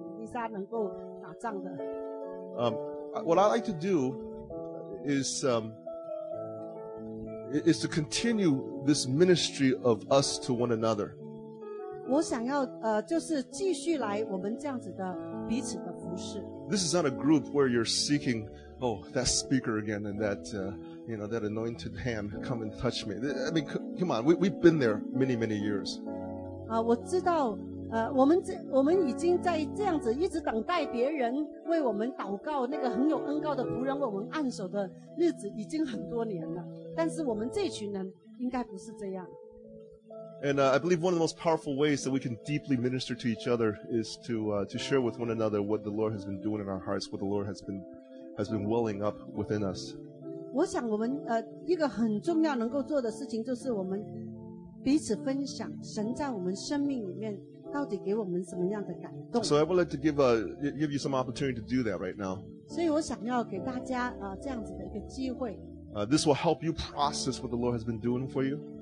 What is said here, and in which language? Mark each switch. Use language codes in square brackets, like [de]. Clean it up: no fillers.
[zh] 这个伊丽莎那个音乐那个弹琴的人帮助伊丽莎能够打仗的。 [en] What I like to do is to continue this ministry of us to one another. [zh] 我想要, 就是继续来我们这样子的, [en] This is not a group where you're seeking, oh, that speaker again and that, you know, that anointed hand, come and touch me. I mean, come on, we've been there many, many years. [zh] 我知道, 我们已经在这样子一直等待别人为我们祷告那个很有恩膏的仆人为我们按手的日子已经很多年了。但是我们这群人应该不是这样。 [en] And I believe one of the most powerful ways that we can deeply minister to each other is to share with one another what the Lord has been doing in our hearts, what the Lord has been welling up within us. [zh] 我想我们, 一个很重要能够做的事情就是我们彼此分享神在我们生命里面到底给我们什么样的感动。 [en] So I would like to give you some opportunity to do that right now. [zh] 所以我想要给大家, 这样子的一个机会。 [en] This will help you process what the Lord has been doing for you.